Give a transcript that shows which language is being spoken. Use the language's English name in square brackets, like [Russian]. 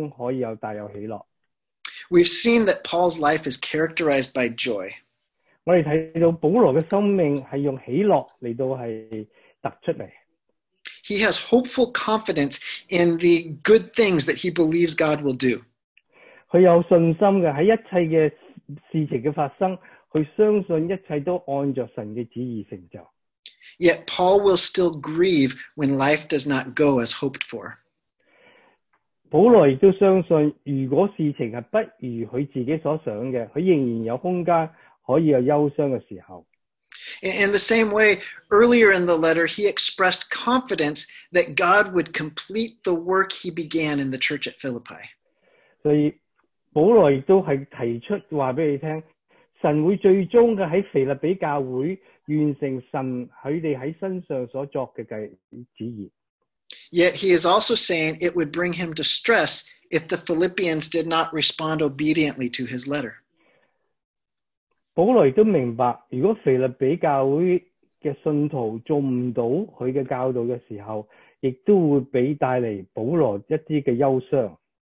[Chinese] 但是没事好的事情，不如我们理想的时候，我们仍然都可以在忧伤的当中可以有带有喜乐。 [English] We've seen that Paul's life is characterized by joy. [Chinese] 我们看到保罗的生命是用喜乐来到是突出来。 [English] He has hopeful confidence in the good things that he believes God will do. [Chinese] 他有信心的，在一切的事情的发生， 他相信一切都按着神的旨意成就。 [English] Yet Paul will still grieve when life does not go as hoped for. [Chinese] 保罗也相信，如果事情不如他自己所想的， 他仍然有空间可以有忧伤的时候。 [English] In the same way, earlier in the letter, he expressed confidence that God would complete the work he began in the church at Philippi. [Chinese] 所以保罗也是提出告诉你， 神会最终在腓立比教会完成神在他们身上所作的旨意。 [English] Yet he is also saying it would bring him distress if the Philippians did not respond obediently to his letter. [Chinese] 保罗也明白，如果腓立比教会的信徒做不到他的教导的时候， 也会带来保罗一些的忧伤。